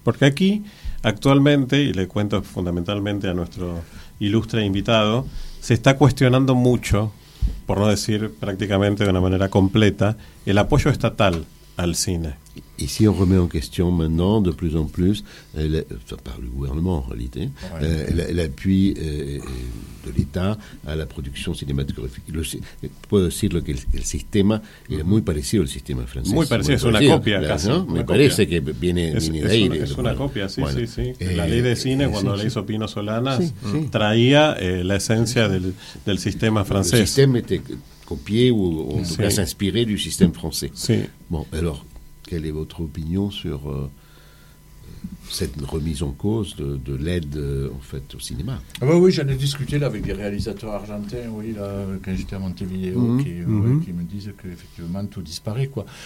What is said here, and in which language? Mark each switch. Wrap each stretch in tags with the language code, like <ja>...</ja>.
<es>Porque aquí, actualmente, y le cuento fundamentalmente a nuestro ilustre invitado, se está cuestionando mucho, por no decir prácticamente de una manera completa, el apoyo estatal al cine.</es> <fr>Y si on remet en question maintenant de plus en plus, par le gouvernement en réalité, l'appui de l'État a la production cinématographique.</fr> <es>Puedo decirlo que el sistema es muy parecido al sistema francés. Muy parecido, es una copia casi. ¿No? Me parece que viene de ahí. Es una copia, sí. La ley de cine, cuando la hizo Pino Solanas, traía la esencia del sistema francés. El sistema</es> <fr>était copié o en tout cas inspiré du système français.</fr> <es>Sí.</es> <fr>Bon, alors, quelle est votre opinion sur cette remise en cause de l'aide en fait au cinéma? Ah bah oui, j'en ai discuté là avec des réalisateurs argentins, oui, là, quand j'étais à Montevideo, qui me disent que effectivement tout disparaît, quoi.</fr>